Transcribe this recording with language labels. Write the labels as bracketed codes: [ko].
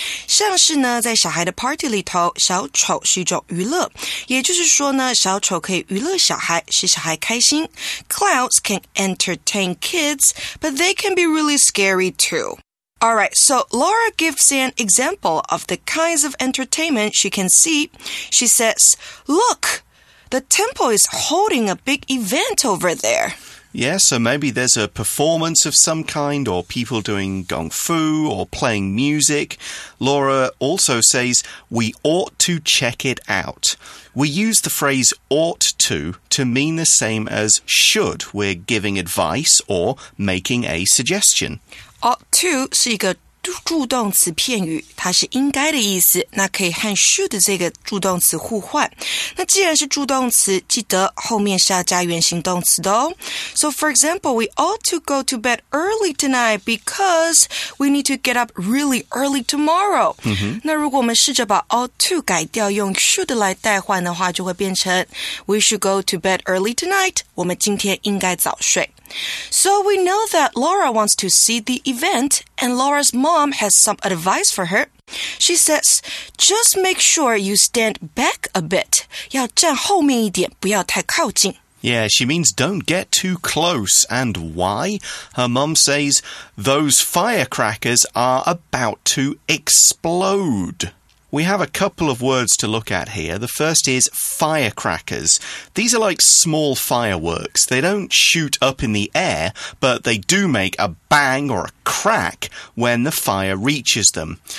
[zh] 像是呢，在小孩的 party 里头，小丑是一种娱乐，也就是说呢，小丑可以娱乐小孩，使小孩开心。 [en] Clowns can entertain kids, but they can be really scary too. Alright, so Laura gives an example of the kinds of entertainment she can see. She says, look, the temple is holding a big event over there. Yeah, so maybe there's a performance of some kind or people doing gong fu or playing music. Laura also says, we ought to check it out. We use the phrase ought to mean the same as should. We're giving advice or making a suggestion. [zh] Ought to 是一个助动词片语，它是应该的意思，那可以和 should 这个助动词互换。那既然是助动词，记得后面是要加原形动词的哦。 [en] So for example, we ought to go to bed early tonight because we need to get up really early tomorrow.、 Mm-hmm. [zh] 那如果我们试着把 ought to 改掉，用 should 来代换的话，就会变成 [en] we should go to bed early tonight. [zh] 我们今天应该早睡。 [en] So we know that Laura wants to see the event, and Laura's mom has some advice for her. She says, just make sure you stand back a bit. [zh] 要站后面一点，不要太靠近。 [en] Yeah, she means don't get too close. And why? Her mom says, those firecrackers are about to explode. We have a couple of words to look at here. The first is firecrackers. These are like small fireworks. They don't shoot up in the air, but they do make a bang or a crack when the fire reaches them.